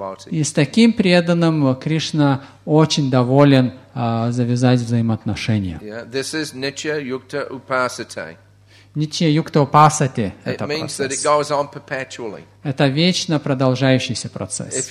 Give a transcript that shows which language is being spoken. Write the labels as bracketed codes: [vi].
[ru] И с таким преданным Кришна очень доволен завязать взаимоотношения. [en] This is Nitya Yukta Upasate. [sa] Нитья Юкта Упасати – это [en] means [ru] процесс. Это вечно продолжающийся процесс.